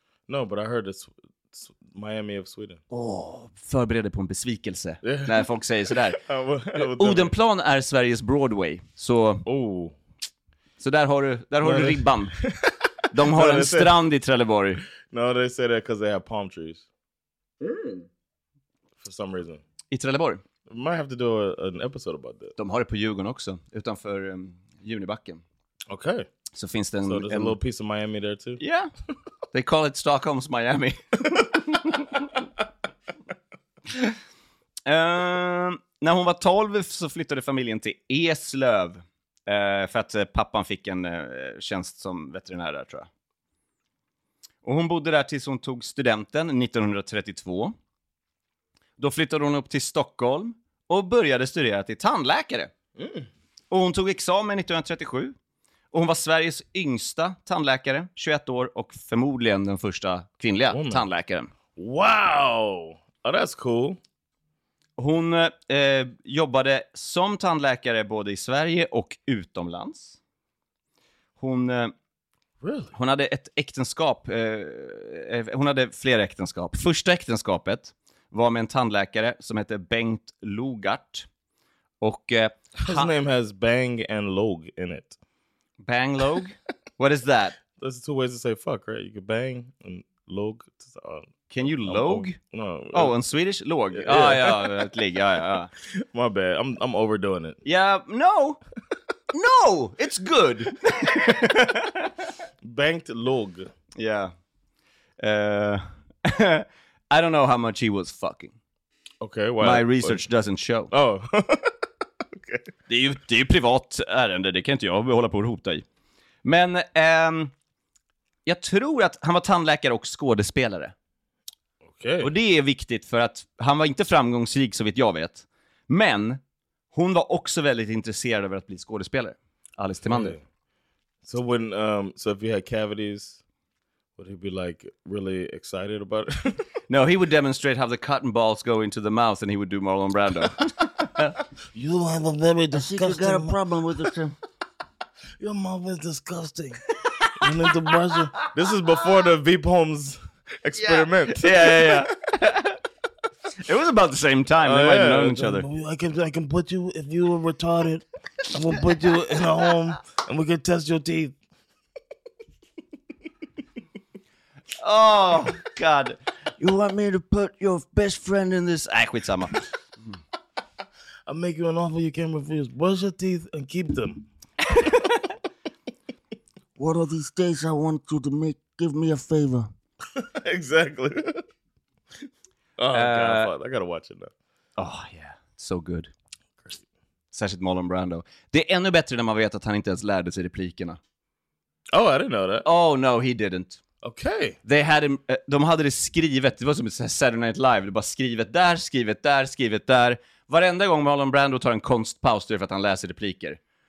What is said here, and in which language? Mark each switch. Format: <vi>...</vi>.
<en>No, but I heard it's Miami of Sweden.</en> <sv>Oh, förbered dig på en besvikelse när folk säger sådär. Odenplan är Sveriges Broadway. Så så där har du ribban. De har en strand i Trelleborg.</sv> <en>No, they say that because they have palm trees. For some reason.</en> <sv>I Trelleborg.</sv> <en>We might have to do an episode about that.</en> <sv>De har det på Djurgården också, utanför Junibacken.</sv> <en>Okay.</en> <sv>Så finns det</sv> <en>so there's a little piece of Miami there too? Yeah. They call it Stockholm's Miami.</en> <sv>När hon var 12 så flyttade familjen till Eslöv. För att pappan fick en tjänst som veterinär där, tror jag. Och hon bodde där tills hon tog studenten 1932. Då flyttade hon upp till Stockholm och började studera till tandläkare. Mm. Och hon tog examen 1937. Och hon var Sveriges yngsta tandläkare, 21 år, och förmodligen den första kvinnliga tandläkaren.</sv> <en>Wow! Oh, that's cool.</en> <sv>Hon jobbade som tandläkare både i Sverige och utomlands. Hon hon hade ett äktenskap. Hon hade flera äktenskap. Första äktenskapet var med en tandläkare som hette Bengt Logart. Och</sv> <en>his name has Bang and Log in it. Bang Log? What is that? There's two ways to say fuck, right? You can bang and log. Can you log? No. Oh, in Swedish? Log. Yeah, yeah. Ah,</en> <sv>ja, ett ligg. Ja, ja.</sv> <en>My bad. I'm overdoing it. Yeah, no. No, it's good. Banked log. Yeah. I don't know how much he was fucking. Okay, well. My research doesn't show. Oh.</en> <sv>Okay. Det är ju privat ärende. Det kan inte jag hålla på och hota i. Men jag tror att han var tandläkare och skådespelare.</sv> <en>Okay.</en> <sv>Och det är viktigt för att han var inte framgångsrik, så vitt jag vet. Men hon var också väldigt intresserad av att bli skådespelare. Alice Timander.</sv> <en>So when so if you had cavities, would he be like really excited about it? No, he would demonstrate how the cotton balls go into the mouth, and he would do Marlon Brando. You have a very disgusting. I think you got a problem with it, Tim. Your mouth is disgusting. You need to brush it. This is before the Veep Holmes experiment. Yeah. It was about the same time. They might have known each other. I can put you, if you were retarded, I will put you in a home and we can test your teeth. Oh, God. You want me to put your best friend in this? Akwitsama. I'll make you an offer you can't refuse. Brush your teeth and keep them. One of these days I want you to give me a favor. Exactly. Oh, God, I gotta watch it now. Oh, yeah. So good.</en> <sv>Särskilt</sv> <en>Marlon Brando.</en> <sv>Det är ännu bättre när man vet att han inte ens lärde sig replikerna.</sv> <en>Oh, I didn't know that. Oh, no, he didn't. Okay.</en> <sv>De hade det skrivet. Det var som Saturday Night Live. Det var bara skrivet där. Varenda gång Marlon Brando tar en konstpaus för att han läser repliker.</sv>